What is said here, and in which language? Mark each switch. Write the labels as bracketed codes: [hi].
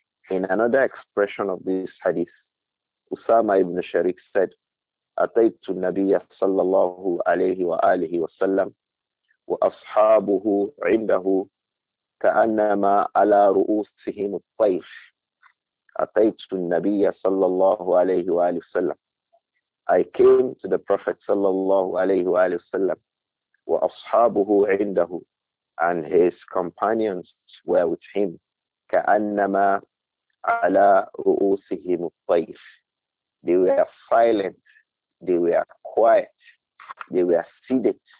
[en] In another expression of this hadith, Usama ibn Sharik said, [ar] Ataytu al-Nabiyya sallallahu alayhi wa alihi wa sallam وأصحابه عنده كأنما على رؤوسهم الطير. أتيت النبي صلى الله عليه وآله وسلم. [en] I came to the Prophet [ar] صلى الله عليه وآله وسلم. وأصحابه عنده, [en] and his companions were with him. [ar] كأنما على رؤوسهم الطير. [en] They were silent. They were quiet. They were seated.